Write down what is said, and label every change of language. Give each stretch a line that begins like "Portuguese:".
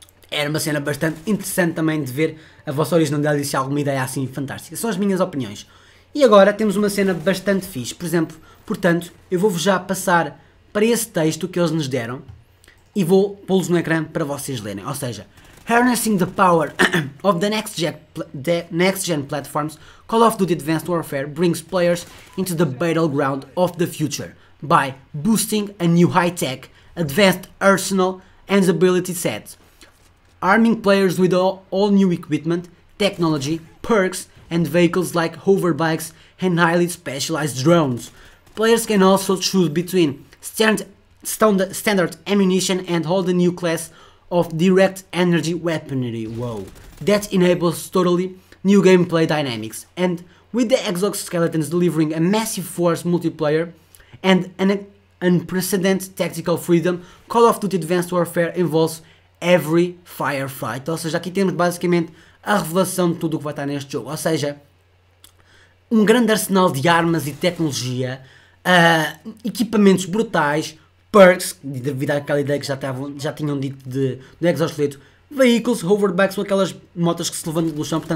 Portuguese: Era uma cena bastante interessante também de ver a vossa originalidade e se há alguma ideia assim fantástica. São as minhas opiniões. E agora temos uma cena bastante fixe. Por exemplo, portanto, eu vou-vos já passar para esse texto que eles nos deram e vou pô-los no ecrã para vocês lerem. Ou seja,
English: Harnessing the power of the next gen platforms, Call of Duty Advanced Warfare brings players into the battleground of the future by boosting a new high-tech advanced arsenal and ability set. Arming players with all new equipment, technology, perks, and vehicles like hoverbikes and highly specialized drones. Players can also choose between standard ammunition and all the new class of direct energy weaponry. Whoa. That enables totally new gameplay dynamics. And with the exoskeletons delivering a massive force multiplayer and an unprecedented tactical freedom, Call of Duty Advanced Warfare involves every firefight.
Portuguese: Ou seja, aqui temos basicamente a revelação de tudo o que vai estar neste jogo. Ou seja, um grande arsenal de armas e tecnologia, equipamentos brutais, perks, devido àquela ideia que já tinham dito de exoesqueleto, veículos, hoverbikes ou aquelas motas que se levantam do chão.